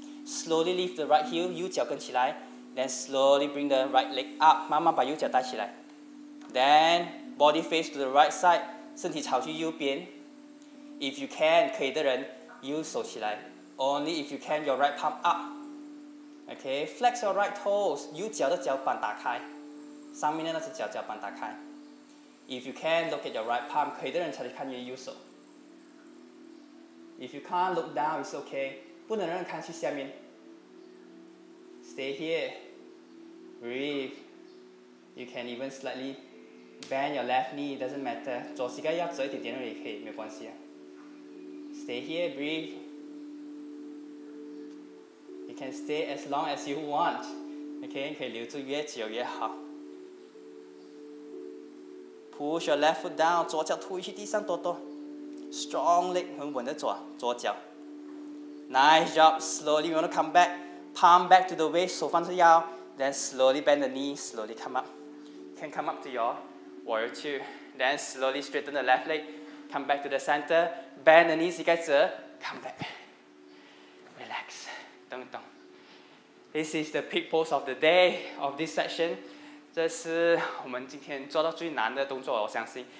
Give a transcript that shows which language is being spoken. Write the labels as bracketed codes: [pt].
[en] Slowly lift the right heel, [zh] 右脚跟起来。 [en] Then slowly bring the right leg up, [zh] 慢慢把右脚带起来。 [en] Then body face to the right side, [zh] 身体朝去右边。 [en] If you can, [zh] 可以的人，右手起来。 [en] Only if you can, your right palm up. Okay, flex your right toes, [zh] 右脚的脚板打开。上面的那只脚脚板打开。 [en] If you can, look at your right palm, [zh] 可以的人才能看你的右手。 [en] If you can't look down, it's okay. [zh] 不能让人看去下面。 [en] stay here. Breathe. You can even slightly bend your left knee, it doesn't matter. [zh] 左膝盖要折一点点也可以，没有关系啊。 [en] Stay here, breathe. You can stay as long as you want. [zh] Okay, 可以留住越久越好。 [en] Push your left foot down, [zh] 左脚推去地上多多。 [en] Strong leg, [zh] 很稳的左脚。 [en] Nice job, slowly you want to come back. Palm back to the waist, [zh] 手放着腰。 [en] Then slowly bend the knee, slowly come up. Can come up to your warrior two. Then slowly straighten the left leg. Come back to the center. Bend the knees, you guys. Come back. Relax. Dong dong. This is the peak pose of the day of this session. [zh] 这是我们今天做到最难的动作，我相信.